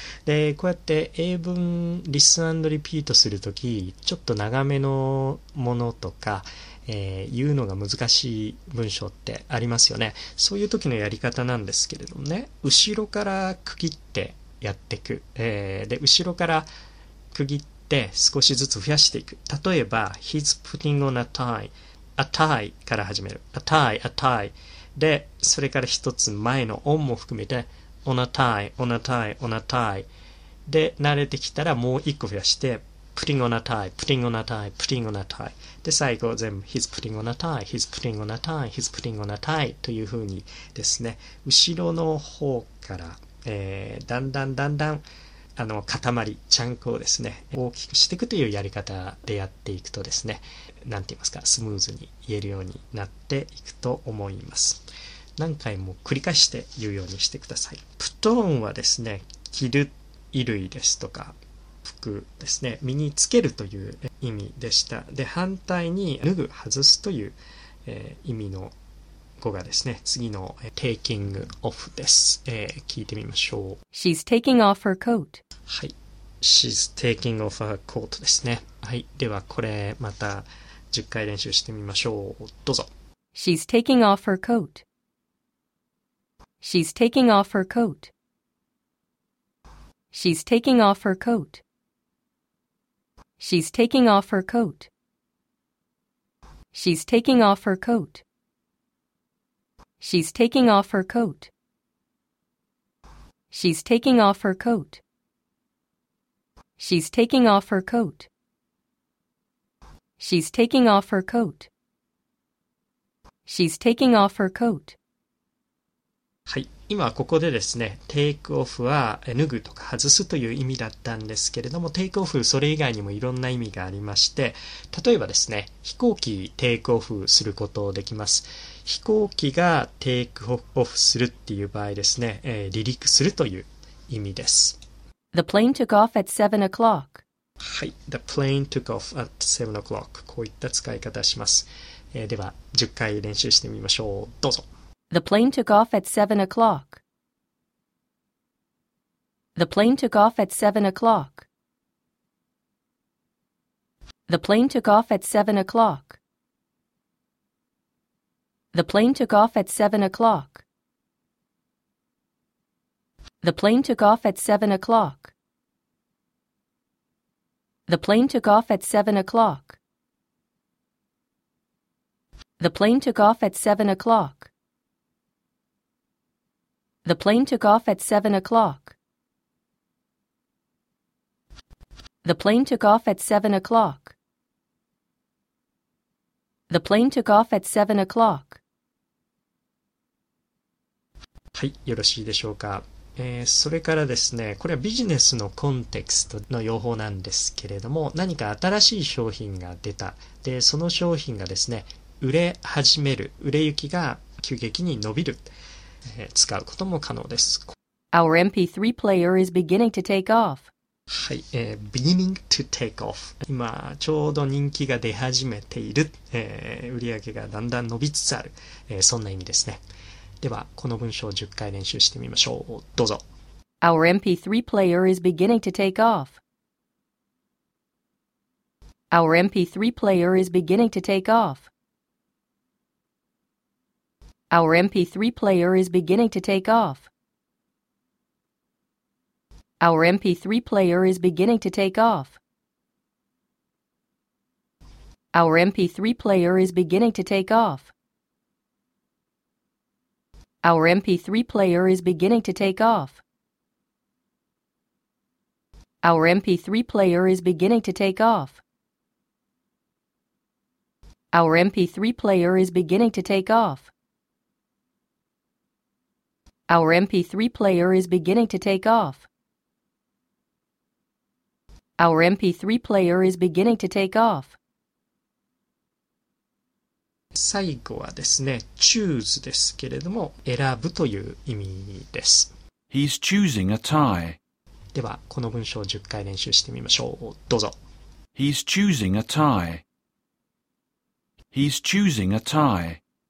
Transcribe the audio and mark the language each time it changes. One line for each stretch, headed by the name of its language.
Japanese: でこうやって英文リスン&リピートするとき、ちょっと長めのものとか、言うのが難しい文章ってありますよね。そういう時のやり方なんですけれどもね、後ろから区切ってやっていく、で後ろから区切って少しずつ増やしていく。例えば
English: He's putting on a tieA tie
Japanese: から始める。
English: A tie, a tie.
Japanese: で、それから一つ前の on も含めて、
English: on a tie, on a tie, on a tie.
Japanese: で、慣れてきたらもう一個増やして、
English: putting on a tie, putting on a tie, putting on a tie.
Japanese: で、最後全部、
English: he's putting on a tie, he's putting on a tie, he's putting on a tie.
Japanese: という風にですね、後ろの方から、だんだんだんだん、塊、ちゃんこをですね、大きくしていくというやり方でやっていくとですね、なんて言いますか、スムーズに言えるようになっていくと思います。何回も繰り返して言うようにしてください。プトーンはですね、着る衣類ですとか、服ですね、身につけるという意味でした。で、反対に、脱ぐ、外すという、意味の語がですね、次の、taking off です、聞いてみましょう。
English: She's taking off her coat.
Japanese: はい。
English: She's taking off her coat
Japanese: ですね。はい。では、これ、また、10回練習してみましょう。どうぞ。
English: She's taking off her coat. She's taking off her coat. She's taking off her coat. She's taking off her coat. She's taking off her coat. She's taking off her coat. She's taking off her coat. She's taking off her coat. She's taking off her coat. She's taking off her coat.
Japanese: はい、今ここでですね、テイクオフは脱ぐとか外すという意味だったんですけれども、テイクオフそれ以外にもいろんな意味がありまして、例えばですね、飛行機テイクオフすることをできます。飛行機がテイクオフするっていう場合ですね、離陸するという意味です。
English: The plane took off at 7 o'clock.
Japanese: はい、
English: The plane took off at 7 o'clock。
Japanese: こういった使い方します。では10回練習してみましょう。どうぞ。
English: The plane took off at 7 o'clock. The plane took off at 7 o'clock. The plane took off at 7 o'clock. The plane took off at 7 o'clock. The plane took off at 7 o'clock. The plane took off at 7 o'clock. The plane took off at 7 o'clock. The plane took off at 7 o'clock. The plane took off at 7 o'clock. The plane took off at 7 o'clock.
Japanese: はい、よろしいでしょうか。それからですね、これはビジネスのコンテクストの用法なんですけれども、何か新しい商品が出た。で、その商品がですね、売れ始める、売れ行きが急激に伸びる、使うことも可能です。は
English: Our MP3 player is beginning to take off. い、beginning to take off。
Japanese: 今ちょうど人気が出始めている、売り上げがだんだん伸びつつある、そんな意味ですね。では、この文章を10回練習してみましょう。どうぞ。
English: Our MP3 player is beginning to take off. Our MP3 player is beginning to take off. Our MP3 player is beginning to take off. Our MP3 player is beginning to take off. Our MP3 player is beginning to take off. Our MP3 player is beginning to take off. Our MP3 player is beginning to take off. Our MP3 player is beginning to take off. Our MP3 player is beginning to take off. Our MP3 player is beginning to take off.
Japanese: 最後はですね、choose ですけれども、選ぶという意味です。
English: He's choosing a tie.
Japanese: では、この文章を10回練習してみましょう。どうぞ。
English: He's choosing a tie. He's choosing a tie.